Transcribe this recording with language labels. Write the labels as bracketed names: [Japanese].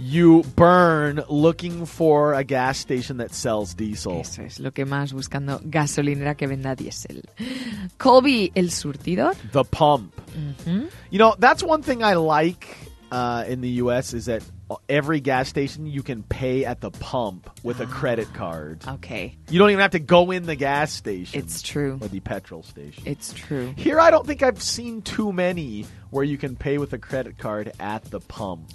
[English] You burn looking for a gas station that sells diesel. [Spanish] Eso es. Lo que más buscando gasolinera que venda diesel. Colby, el surtidor. [English] The pump. Mm-hmm. You know, that's one thing I like. In the U.S. is that every gas station you can pay at the pump with a credit card. Okay. You don't even have to go in the gas station. It's true. Or the petrol station. It's true. Here, I don't think I've seen too many where you can pay with a credit card at the pump.